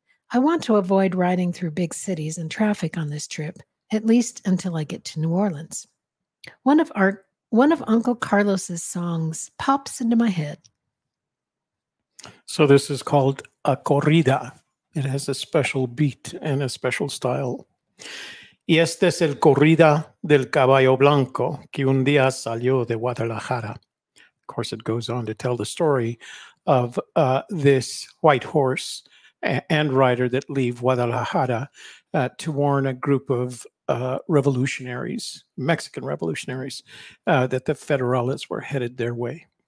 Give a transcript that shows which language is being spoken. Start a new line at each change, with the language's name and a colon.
English: I want to avoid riding through big cities and traffic on this trip, at least until I get to New Orleans. One of Uncle Carlos's songs pops into my head. So this is called a corrida. It has a special beat and a special style.
Spanish: Y este es el corrida del caballo blanco que un día salió de Guadalajara.
English: Of course, it goes on to tell the story of this white horse and rider that leave Guadalajara to warn a group of revolutionaries, Mexican revolutionaries, that the Federales were headed their way.